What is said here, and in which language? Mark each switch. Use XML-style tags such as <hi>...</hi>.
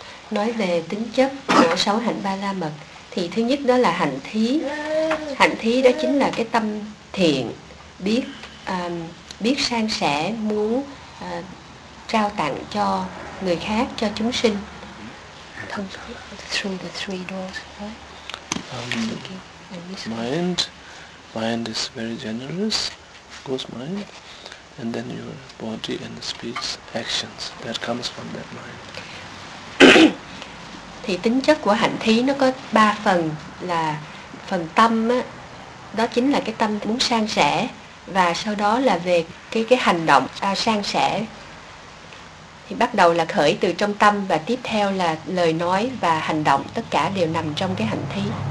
<vi>Nói về tính chất của 6 hạnh Ba La Mật thì thứ nhất đó là hạnh thí. Hạnh thí đó chính là cái tâm thiện, biết biết san sẻ, muốn trao tặng cho người khác, cho chúng sinh.</vi> <en>Through the three doors, right? Mind is very generous, of course, mind. And then your body and speech, actions, that comes from that mind.</en> <vi>Thì tính chất của hạnh thí nó có 3 phần, là phần tâm á, đó chính là cái tâm muốn san sẻ, và sau đó là về cái hành động san sẻ. Thì bắt đầu là khởi từ trong tâm, và tiếp theo là lời nói và hành động, tất cả đều nằm trong cái hạnh thí.</vi>